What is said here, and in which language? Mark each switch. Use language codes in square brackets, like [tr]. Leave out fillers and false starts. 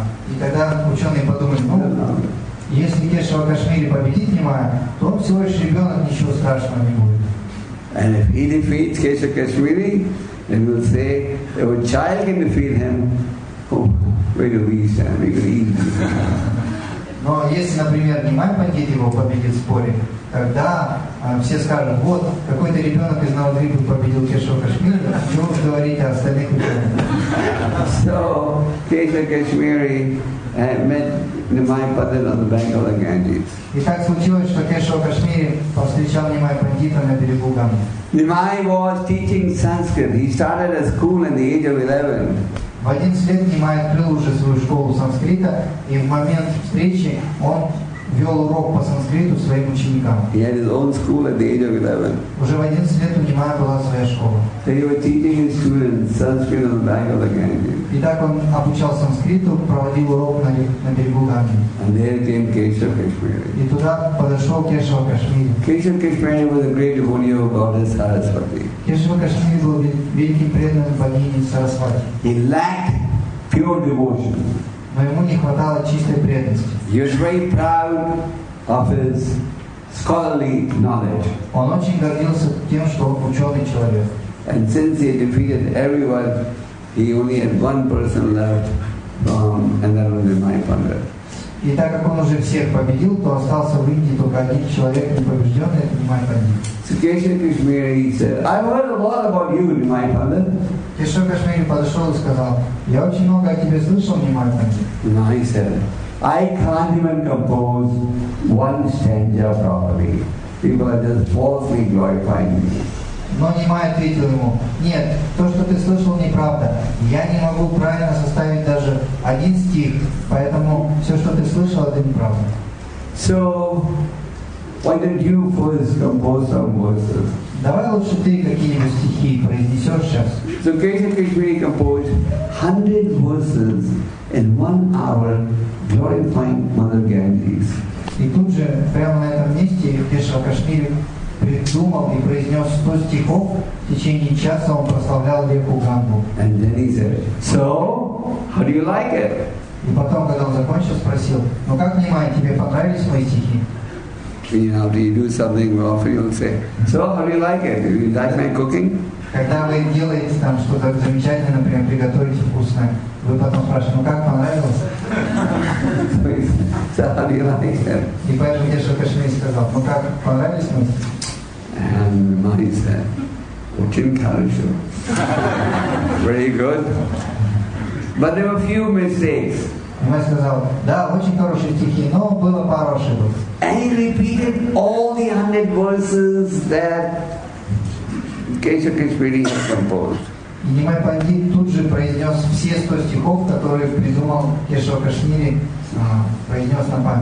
[ru] И тогда ученые подумали, ну, если Кешав Кашмири победит Нимая, то он всего лишь ребенок, ничего страшного не будет. [en] And if he defeats Кешав Кашмири, then we'll say, if a child can defeat him, where do we stand? We can easily stand. [ru] Но если, например, Нимай Пандит его победит в споре, тогда все скажут, вот, какой-то ребенок из Навадвипы победил Кешава Кашмири, чего вы говорите о остальных ученых? [en] So, Keshav Kashmiri met Nimai Pandit on the bank of the Ganges. [ru] И так случилось, что Кешав Кашмири повстречал Нимай Пандита на берегу Ганги. [en] Nimai was teaching Sanskrit. He started a school at the age of 11. [ru] В 11 лет Нимай открыл уже свою школу санскрита, и в момент встречи он вел урок по санскриту своим ученикам. [en] He had his own school at the age of 11. [ru] Уже в 11 лет у Нимая была своя школа. [en] So he was teaching his students Sanskrit on the bank of the Ganges. [ru] И так он обучал санскриту, проводил урок на берегу Ганги. [en] And there came Keshav Kashmiri. [ru] И туда подошел Кешав Кашмири. [en] Keshav Kashmiri was a great devotee of goddess Sarasvati. [ru] Кешав Кашмири был великим преданным богини Сарасвати. [en] He lacked pure devotion. [ru] Но ему не хватало чистой преданности. [en] He was very proud of his scholarly knowledge. [ru] Он очень гордился тем, что он ученый человек. [en] And since he defeated everyone, he only had one person left, and that was Nimai Pandit. [ru] И так как он уже всех победил, то остался в Индии только один человек непобежденный, это Nimai Pandit. [en] So Keshav Kashmiri said, I've heard a lot about you, Nimai Pandit. [ru] Кешав Кашмири подошел и сказал, я очень много о тебе слышал, Nimai Pandit. [en] Nimai said, I can't even compose one stanza properly. People are just falsely glorifying me. [ru] Но Немай ответил ему: «Нет, то, что ты слышал, неправда. Я не могу правильно составить даже один стих, поэтому все, что ты слышал, это неправда». [en] So, why don't you first compose some verses? [ru] Давай лучше ты какие-нибудь стихи произнесешь сейчас. [en] So Krishna Kishmini composed 100 verses in 1 hour glorifying Mother Ganges. [ru] И тут же, прямо на этом месте, Кешава Кашмири придумал и произнес 100 стихов, в течение часа он прославлял реку Гангу. [en] And then he said, so, how do you like it? [ru] И потом, когда он закончил, спросил: ну как, Немай, тебе понравились мои стихи? [en] You know, do you do something more often? You'll say, so how do you like it? Do you like my cooking? [ru] Когда вы делаете там что-то замечательное, например, приготовите вкусное, вы потом спрашиваете, ну как, понравилось? [en] So how do you like it? [ru] И поэтому Кешава Кашмири сказал, ну как, понравились мне? [en] And Немай said, [ru] очень хорошо. [en] Very good. But there were a few mistakes. [ru] Немай сказал, да, очень хорошие стихи, но было пару ошибок. [en] And he repeated all the 100 verses that Kesha Kishmini had composed. [ru] Немай Пандит тут же произнес все 100 стихов, которые придумал Кешава Кашмири, произнес на память.